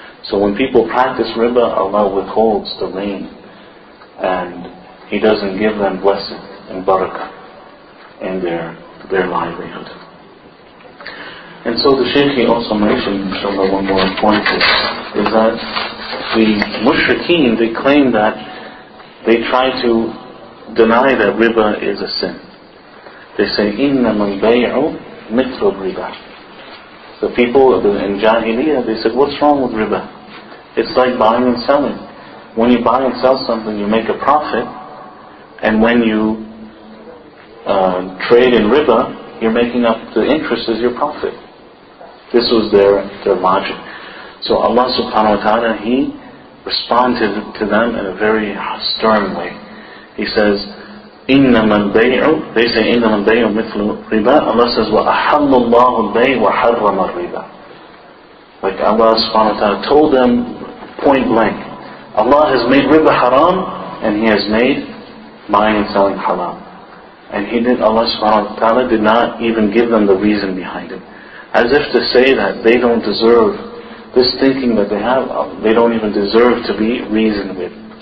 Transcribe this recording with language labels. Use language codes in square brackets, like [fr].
[en] So when people practice riba, Allah withholds the rain, and He doesn't give them blessing and barakah in their livelihood. And so the Shaykh also mentioned, inshallah, one more point is that the mushrikeen, they claim that they try to deny that riba is a sin. [ar] They say, إِنَّمَا الْبَيْعُ مِثْلُ الْرِبَى. [en] The people in Jahiliyyah, they said, what's wrong with riba? It's like buying and selling. When you buy and sell something, you make a profit. And when you trade in riba, you're making up the interest as your profit. This was their logic. So Allah subhanahu wa ta'ala, He responded to them in a very stern way. He says, إِنَّمَا الْبَيْعُ, they say, إِنَّمَا الْبَيْعُ مِثْلُ riba. [ar] Allah says, وَأَحَلُّ اللَّهُ الْبَيْعُ وَحَرَّمَ الْرِبَى. [en] Like Allah subhanahu wa ta'ala told them point blank, Allah has made riba haram, and He has made buying and selling haram. And He did, Allah subhanahu wa ta'ala did not even give them the reason behind it. As if to say that they don't deserve this thinking that they have, they don't even deserve to be reasoned with.